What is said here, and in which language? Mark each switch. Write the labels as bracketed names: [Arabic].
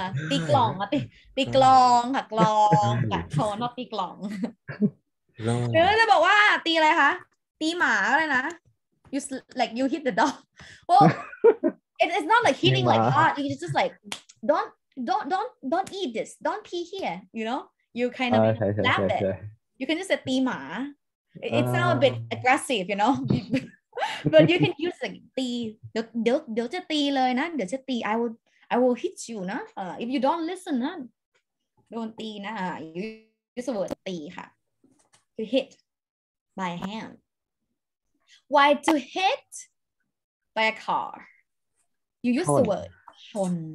[Thai] ตีกลองอ่ะ ตีกลองค่ะ กลอง กลอง not ตีกลอง เดี๋ยวจะบอกว่า ตีอะไรคะ ตีหมาอะไรนะ [English] You like you hit the dog. Well, it's not like hitting like hard. It's just like don't eat this. Don't pee here. You know you kind of slap it. You can just say ti ma. It sounds a bit aggressive, you know. But you can use like ti. [Thai] เดี๋ยว จะ ti เลย นะ เดี๋ยว จะ ti. [English] I will hit you นะ if you don't listen นะ don't ti นะ use the word ti ค่ะ to hit by hand. Why to hit by a car? You use the word chon.